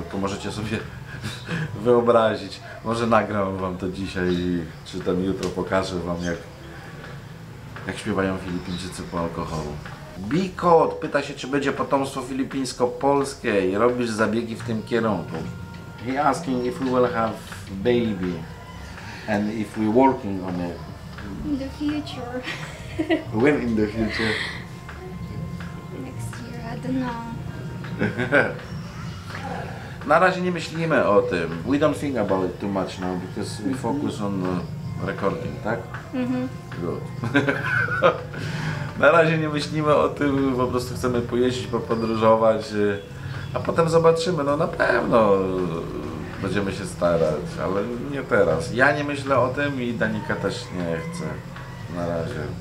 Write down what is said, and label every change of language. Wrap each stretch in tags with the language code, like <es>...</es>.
<pl>To możecie sobie wyobrazić. Może nagram wam to dzisiaj, czy tam jutro pokażę wam, jak śpiewają Filipińczycy po alkoholu. Bikot pyta się, czy będzie potomstwo filipińsko-polskie i robisz zabiegi w tym kierunku.</pl> <en>He asking if we will have baby and if we working on it. In the future. When in the future? Next year, I don't know.</en> <pl>Na razie nie myślimy o tym.</pl> <en>We don't think about it too much now because we focus on recording,</en> <pl>tak? Mhm.</pl> <en>Good.</en> <pl>Na razie nie myślimy o tym, po prostu chcemy pojeździć, popodróżować, a potem zobaczymy, no na pewno. Będziemy się starać, ale nie teraz. Ja nie myślę o tym i Danika też nie chce. Na razie.</pl>